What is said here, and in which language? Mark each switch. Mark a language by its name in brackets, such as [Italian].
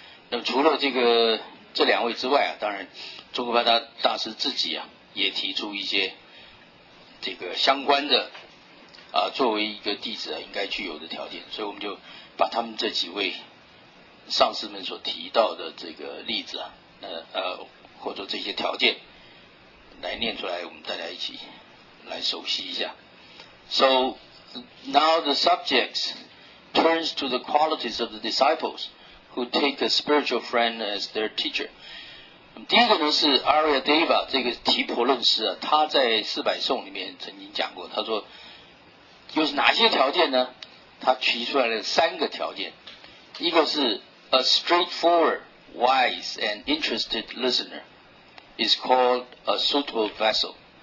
[Chinese] 那么除了这两位之外啊，当然中观巴大师自己啊也提出一些这个相关的作为一个弟子应该具有的条件，所以我们就把他们这几位上师们所提到的这个例子啊，或者这些条件来念出来，我们大家一起来熟悉一下。 [English] So now the subject turns to the qualities of the disciples who take a spiritual friend as their teacher。 [Chinese] 第一个呢是 Aryadeva 这个提婆论师啊，他在四百颂里面曾经讲过，他说又是哪些条件呢？他提出来了三个条件，一个是 [English] A straightforward, wise and interested listener is called a suitable vessel。